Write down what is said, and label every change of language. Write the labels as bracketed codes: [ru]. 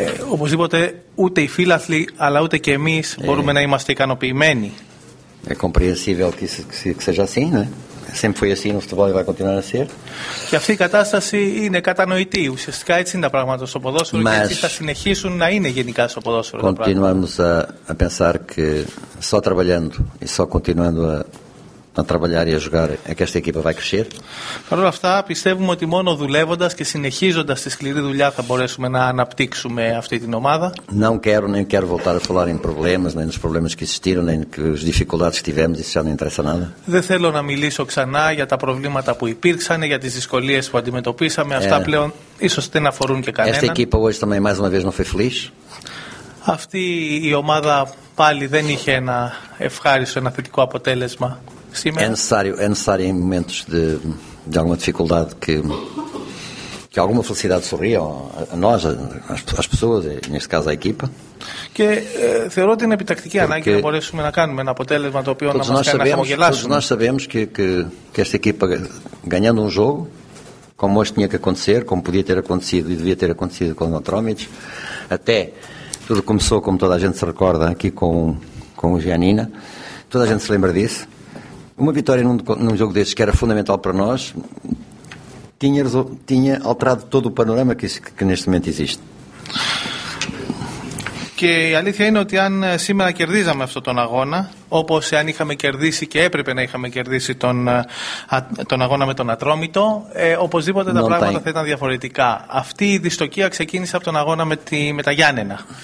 [el] Οπωσδήποτε, ούτε οι φίλαθλοι, αλλά ούτε και εμείς μπορούμε να είμαστε ικανοποιημένοι. [pt] Είναι compréhensible que seja assim, né? Sempre foi assim, no futebol vai continuar a ser. [el] Και αυτή η κατάσταση είναι κατανοητή. Ουσιαστικά έτσι είναι τα πράγματα στο ποδόσφαιρο και έτσι θα συνεχίσουν να είναι γενικά στο ποδόσφαιρο. [pt] Continuamos a pensar que só trabalhando e só continuando a trabalhar e a jogar é que esta equipa vai crescer. [el] Παρ' όλα αυτά, πιστεύουμε ότι μόνο δουλεύοντας και συνεχίζοντας τη σκληρή δουλειά θα μπορέσουμε να αναπτύξουμε αυτή την ομάδα. [pt] Não quero nem quero voltar a falar em problemas, nem nos problemas que existiram, nem nas dificuldades que tivemos, isso já não interessa nada. [el] Δεν θέλω να μιλήσω ξανά για τα προβλήματα που υπήρξαν, για τις δυσκολίες που αντιμετωπίσαμε. Αυτά πλέον ίσως δεν αφορούν και κανέναν. [pt] Esta equipa hoje também mais uma vez não foi feliz. [el] Αυτή η ομάδα πάλι δεν είχε ένα ευχάριστο, ένα θετικό αποτέλεσμα. [pt] É necessário em momentos de alguma dificuldade que alguma felicidade sorria a nós, às pessoas, neste caso à equipa. [el] Και θεωρώ την επιτακτική ανάγκη να μπορέσουμε να κάνουμε ένα αποτέλεσμα το οποίο να μας κάνει να χαμογελάσουμε. [pt] Todos nós sabemos que esta equipa ganhando jogo, como hoje tinha que acontecer, como podia ter acontecido e devia ter acontecido com o Tromic, até tudo começou, como toda a gente se recorda, aqui com o Giannina. Toda a gente se lembra disso. Uma vitória num jogo desses que era fundamental para nós tinha alterado todo o panorama que neste momento existe. [el] Και η αλήθεια είναι ότι αν σήμερα κερδίζαμε αυτόν τον αγώνα, όπως αν είχαμε κερδίσει και έπρεπε να είχαμε κερδίσει τον αγώνα με τον Ατρόμητο, οπωσδήποτε τα πράγματα θα ήταν διαφορετικά. Αυτή η δυστοκία ξεκίνησε από τον αγώνα με τα Γιάννενα.